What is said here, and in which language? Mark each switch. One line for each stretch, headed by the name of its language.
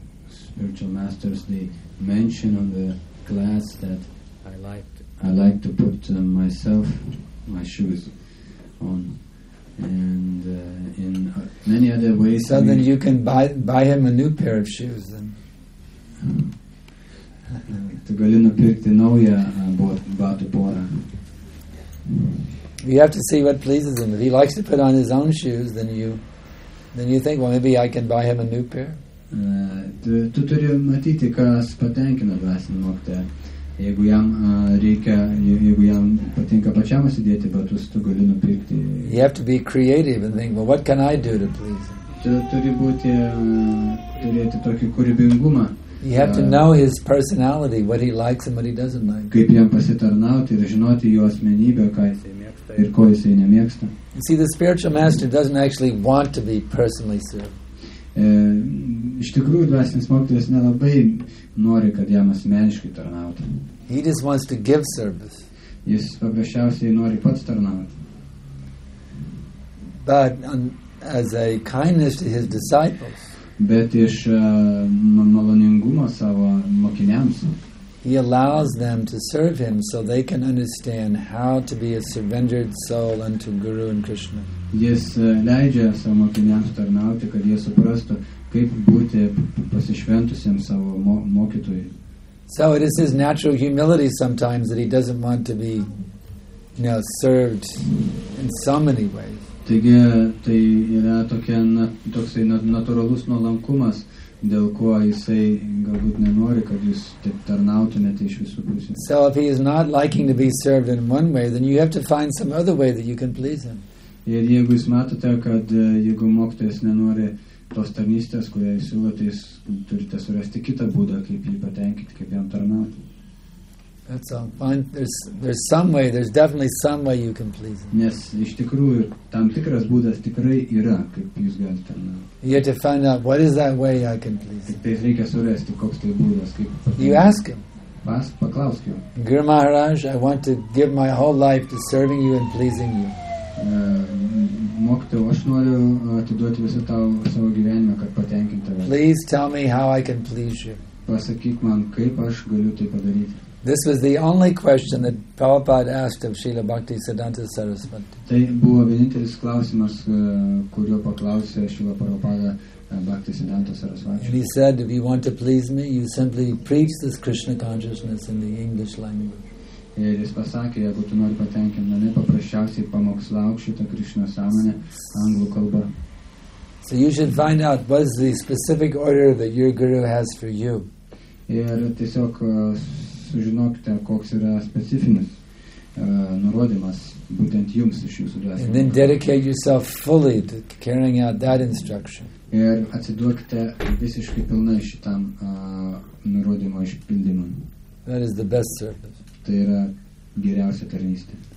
English: spiritual masters, they mention on the class that I like to put myself, my shoes on. And in many other ways. So then you can buy him a new pair of shoes then.
Lithuanian: Tu gali nupirkti naują batų porą.
English: You have to see what pleases him. If he likes to put on his own shoes, then you think, well, maybe I can buy him a new pair.
Lithuanian: Tu turi matyti, kas patenkina dvasinį mokytoją. Jeigu jam patinka pačiam įsidėti batus, tu gali nupirkti.
English: You have to be creative and think, well, what can I do to please him?
Lithuanian: Tu turi būti, turėti tokį kūrybingumą.
English: You have to know his personality, what he likes and what he doesn't like.
Lithuanian: Kaip jam pasitarnauti ir žinoti jo asmenybę, ką jis mėgsta ir ko jis nemėgsta.
English: You see, the spiritual master doesn't actually want to be personally served.
Lithuanian: Iš tikrųjų, dvasinis mokytojas nelabai nori, kad jam asmeniškai tarnautų.
English: He just wants to give service.
Lithuanian: Jis paprasčiausiai nori pats tarnauti.
English: But as a kindness to his disciples,
Lithuanian: bet iš maloningumo savo mokiniams,
English: he allows them to serve him so they can understand how to be a surrendered soul unto Guru and Krishna.
Lithuanian: Jis leidžia savo mokiniams tarnauti, kad jie suprastų, kaip būti pasišventusiam savo mokytojui.
English: So it is his natural humility sometimes that he doesn't want to be, you know, served in so many ways.
Lithuanian: Taigi, tai yra toksai natūralus nuolankumas, dėl ko jisai galbūt nenori, kad jūs taip tarnautumėte iš visų pusės.
English: So if he is not liking to be served in one way, then you have to find some other way that you can please him.
Lithuanian: Ir jeigu jūs matote, kad jeigu mokytojas nenori tos tarnystės, kurią jūs siūlote, jūs turite surasti kitą būdą, kaip jį patenkinti, kaip jam tarnauti.
English: That's all. Fine. There's some way. There's definitely some way you can please him.
Lithuanian: Nes iš tikrųjų tam tikras būdas tikrai yra, kaip jūs galite tarnauti.
English: You have to find out what is that way I can please him.
Lithuanian: Tai reikia surasti, koks tai būdas, kaip.
English: You ask him.
Lithuanian: Paklausk jo.
English: Guru Maharaj, I want to give my whole life to serving you and pleasing you.
Lithuanian: Mokytojau, aš noriu atiduoti visą savo gyvenimą, kad patenkinti tave.
English: Please tell me how I can please you.
Lithuanian: Pasakyk man, kaip aš galiu tai padaryti.
English: This was the only question that Prabhupada asked of Srila Bhakti Siddhanta Sarasvati.
Lithuanian: Tai buvo vienintelis klausimas, kurio paklausė Srila Prabhupada Bhakti Siddhanta Sarasvati.
English: And he said, if you want to please me, you simply preach this Krishna consciousness in the English language.
Lithuanian: Ir jis pasakė, jeigu tu nori patenkinti mane, paprasčiausiai pamokslauk šitą Krishna sąmonę anglų kalba.
English: So you should find out what is the specific order that your guru has for you.
Lithuanian: Ir tiesiog sužinokite, koks yra specifinis nurodymas būtent jums iš jūsų dvasinio.
English: And then dedicate yourself fully to carrying out that instruction.
Lithuanian: Ir atsiduokite visiškai pilnai šitam nurodymo išpildymui.
English: That is the best service.
Lithuanian: Tai yra geriausia tarnystė.